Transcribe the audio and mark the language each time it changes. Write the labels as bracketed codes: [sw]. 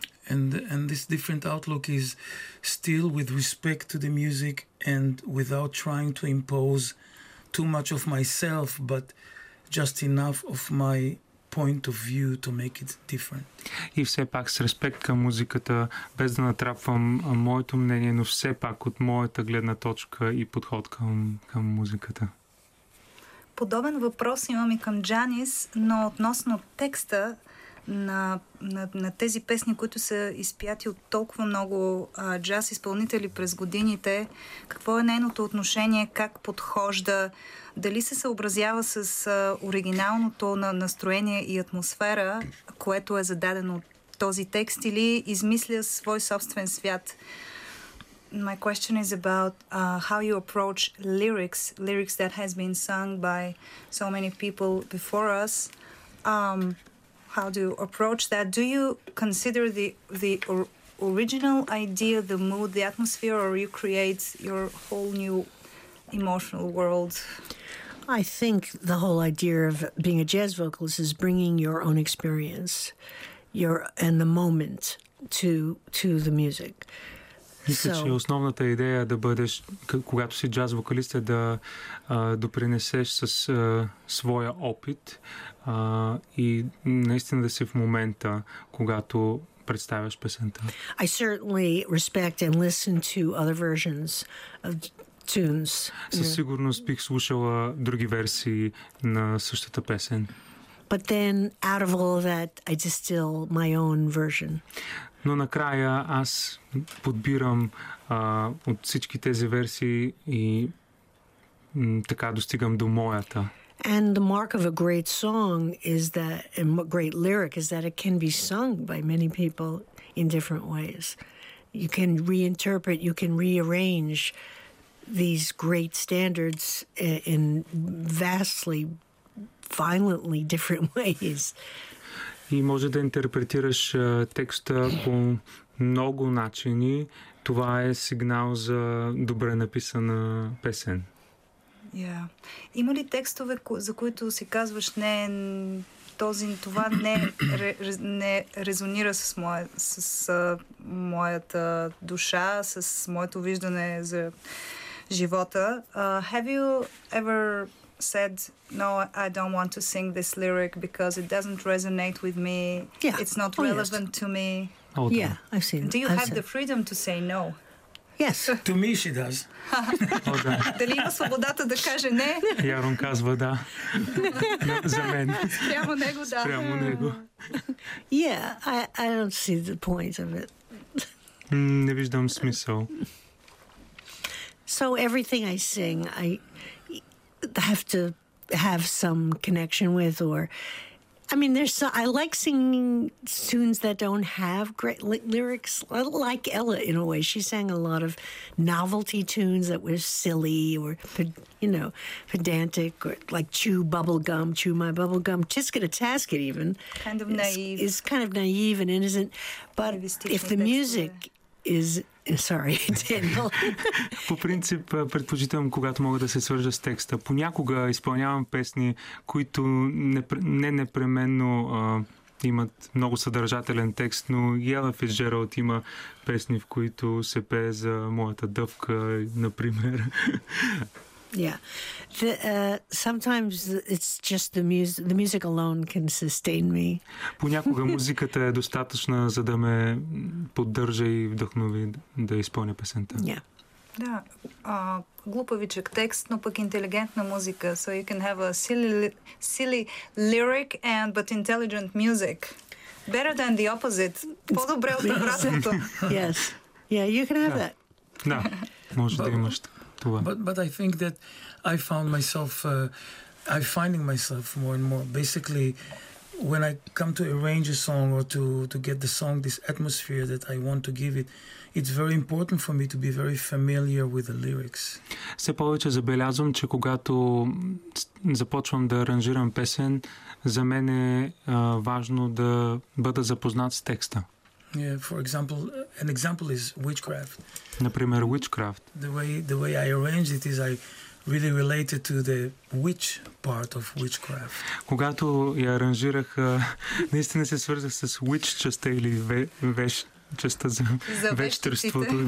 [en] And this different outlook is still with respect to the music and without trying to impose too much of myself, but just enough of my point of view to make it different. [bg] И все пак с респект към музиката, без да натрапвам моето мнение, но все пак от моята гледна точка и подход към музиката. Подобен въпрос имам и към Джанис, но относно текста на тези песни, които са изпяти от толкова много джаз изпълнители през годините, какво е нейното отношение, как подхожда, дали се съобразява с оригиналното на настроение и атмосфера, което е зададено от този текст, или измисля свой собствен свят. [en] My question is about how you approach lyrics that has been sung by so many people before us. How do you approach that? Do you consider the original idea, the mood, the atmosphere, or you create your whole new emotional world? I think the whole idea of being a jazz vocalist is bringing your own experience, and the moment to the music. [bg] Мисля, че основната идея е да бъдеш, когато си джаз вокалист, е да допринесеш с своя опит и наистина да си в момента, когато представяш песента. [en] I certainly respect and listen to other versions of tunes. [bg] Със сигурност бих слушала други версии на същата песен. [en] But then out of all of that I distill my own version. [bg] Но накрая аз подбирам от всички тези версии и така достигам до моята. [en] And the mark of a great song is that a great lyric is that it can be sung by many people in different ways. You can reinterpret, you can rearrange these great standards in vastly violently different ways. [bg] И може да интерпретираш текста по много начини. Това е сигнал за добре написана песен. [en] Yeah. [bg] Има ли текстове, за които си казваш, не, това не резонира с моята душа, с моето виждане за живота? [en] Have you ever said, no, I don't want to sing this lyric because it doesn't resonate with me. Yeah. It's not relevant to me. Oh, yeah, I've seen it. Do you have the freedom to say no? Yes. To me she does. [bg] Дали има свободата да каже не? Ярон казва да. За мен. Спрямо него, да. Спрямо него. [en] Yeah, I don't see the point of it. [bg] Не виждам смисъл. [en] So everything I sing, I have to have some connection with, or I mean, there's I like singing tunes that don't have great lyrics, like Ella in a way. She sang a lot of novelty tunes that were silly or, you know, pedantic, or like chew my bubble gum, tisket-a-tasket, even kind of naive. It's kind of naive and innocent, but if the music is sorry, Daniel. [bg] По принцип предпочитам, когато мога да се свържа с текста. Понякога изпълнявам песни, които не непременно имат много съдържателен текст, но Ella Fitzgerald има песни, в които се пее за моята дъвка, например. [en] Yeah. Sometimes it's just the music alone can sustain me. [bg] Понякога музиката е достатъчна, за да ме поддържа и вдъхнови да изпълня песента. [en] Yeah. [bg] Да. Глупавичък текст, но пък интелигентна музика. [en] So you can have a silly lyric and but intelligent music. Better than the opposite. [bg] По-добре от обратното. [en] Yes. Yeah, you can have that. [bg] Да. Може да имаш. [en] But I think that I'm finding myself more and more. Basically, when I come to arrange a song or to get the song this atmosphere that I want to give it, it's very important for me to be very familiar with the lyrics. [bg] Все повече забелязвам, че когато започвам да аранжирам песен, за мен е важно да бъда запознат с текста. [en] Yeah, for example, an example is witchcraft. [bg] Например, witchcraft. [en] The way I arranged it is I really related to the witch part of witchcraft. [bg] Когато я аранжирах, наистина се свързах с witch частта или веш частта за вещерството.